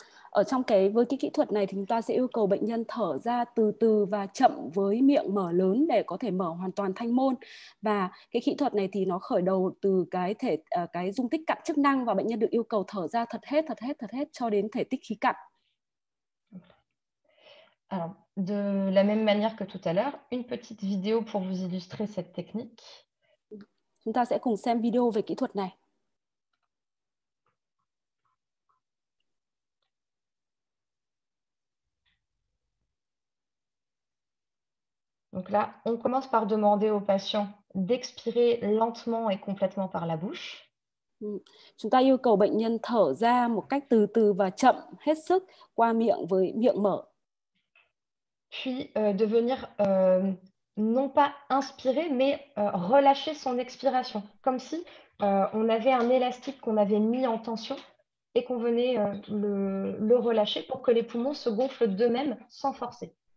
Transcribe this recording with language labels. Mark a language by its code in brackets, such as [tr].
[vi] Ở trong cái với cái kỹ thuật này thì chúng ta sẽ yêu cầu bệnh nhân thở ra từ từ và chậm với miệng mở lớn để có thể mở hoàn toàn thanh môn và cái kỹ thuật này thì nó khởi đầu từ cái dung tích cặn chức năng và bệnh nhân được yêu cầu thở ra thật hết cho đến thể tích khí cặn. [fr] Alors, de la même manière que tout à l'heure, une petite vidéo pour vous illustrer cette technique. [vi] Chúng ta sẽ cùng xem video về kỹ thuật này. [fr] Donc là, on commence par demander au patient d'expirer lentement et complètement par la bouche. [vi] Chúng ta yêu cầu bệnh nhân thở ra một cách từ từ và chậm, hết sức qua miệng với miệng mở. [fr] Puis de venir non pas inspirer, mais relâcher son expiration, comme si on avait un élastique qu'on avait mis en tension et qu'on venait le relâcher pour que les poumons se gonflent d'eux-mêmes sans forcer.